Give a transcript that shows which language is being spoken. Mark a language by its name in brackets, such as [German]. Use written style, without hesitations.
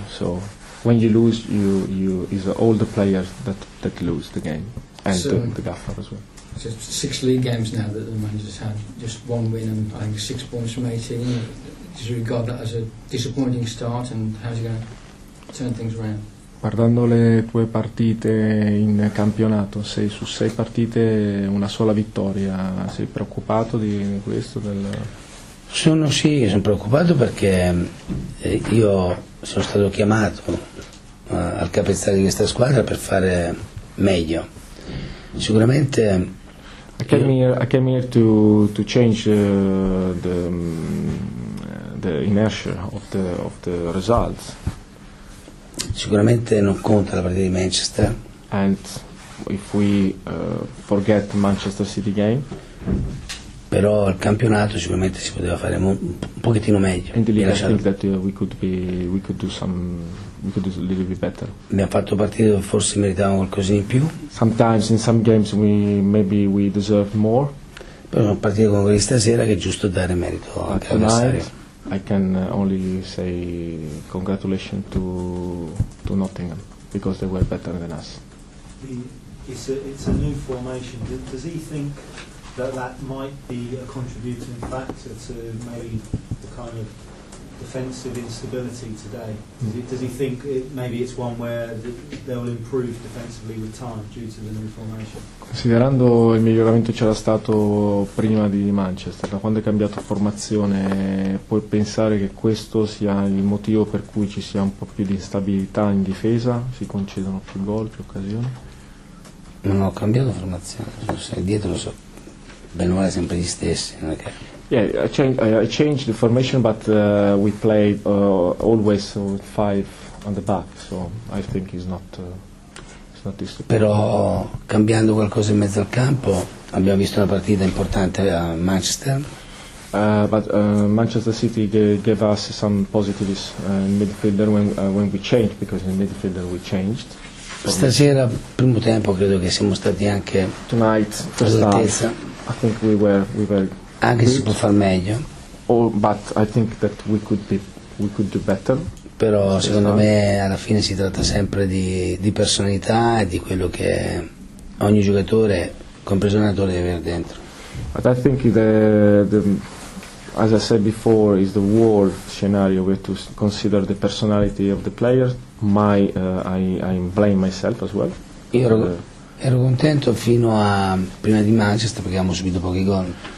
[English] So when you lose, you is all the players that lose the game and so, the gaffer as well. So 6 league games now that the manager's had, just 1 win and I think 6 points from 18. Does he regard that as a disappointing start, and how's he going to turn things around? [Italian] Guardando le tue partite in campionato, 6 su 6 partite, una sola vittoria, sei preoccupato di questo? Sono preoccupato perché io sono stato chiamato al capezzale di questa squadra per fare meglio. Sicuramente. [English] I came here to change the inertia of the results. [Italian] Sicuramente non conta la partita di Manchester. [English] And if we forget Manchester City game. [Italian] Però il campionato sicuramente si poteva fare un pochettino meglio. [English] And I think that we could do a little bit better. [Italian] Abbiamo fatto partite dove forse meritavamo qualcosa in più. [English] Sometimes in some games maybe we deserve more. [Italian] Però una partita come quella di stasera che è giusto dare merito anche all'avversario. [English] I can only say congratulations to Nottingham because they were better than us. It's a new formation. Does he think that might be a contributing factor to maybe the kind of defensive instability today? Does he think maybe it's one where they'll improve defensively with time due to the new formation? [Italian] Considerando il miglioramento c'era stato prima di Manchester, da quando è cambiato formazione, puoi pensare che questo sia il motivo per cui ci sia un po' più di instabilità in difesa, si concedono più gol, più occasioni? Non ho cambiato formazione, sei dietro, lo so. Bene o male sempre gli stessi, non è che. [English] Yeah, I changed the formation, but we played always with 5 on the back, so I think it's not this. [Italian] Però cambiando qualcosa in mezzo al campo, abbiamo visto una partita importante a Manchester. [English] But Manchester City gave us some positives in midfielder when we changed, because in midfielder we changed. [Italian] Stasera, primo tempo, credo che siamo stati anche [English] tonight, [Italian] all'altezza. [English] I think we were [Italian] anche si può far meglio. [English] But I think that we could do better. [Italian] Però secondo me alla fine si tratta sempre di personalità e di quello che ogni giocatore, compreso l'allenatore, deve avere dentro. [English] But I think the as I said before, is the war scenario. We have to consider the personality of the player. I blame myself as well. [Italian] Ero contento fino a prima di Manchester perché abbiamo subito pochi gol.